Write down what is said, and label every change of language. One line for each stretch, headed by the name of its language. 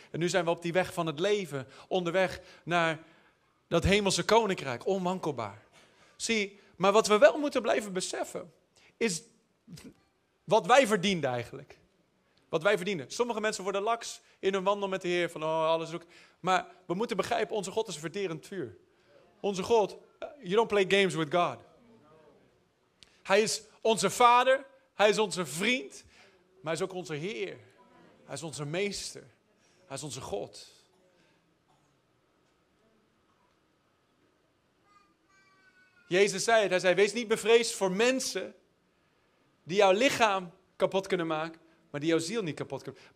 Dutch: En nu zijn we op die weg van het leven, onderweg naar dat hemelse koninkrijk, onwankelbaar. Zie, maar wat we wel moeten blijven beseffen, is wat wij verdienden eigenlijk. Wat wij verdienen. Sommige mensen worden laks in hun wandel met de Heer. Van oh, alles zoek. Maar we moeten begrijpen, onze God is een verterend vuur. Onze God,
English: you don't play games with God.
Dutch: Hij is onze vader. Hij is onze vriend. Maar hij is ook onze Heer. Hij is onze meester. Hij is onze God. Jezus zei het, hij zei, wees niet bevreesd voor mensen die jouw lichaam kapot kunnen maken, maar die jouw ziel niet kapot kunnen maken.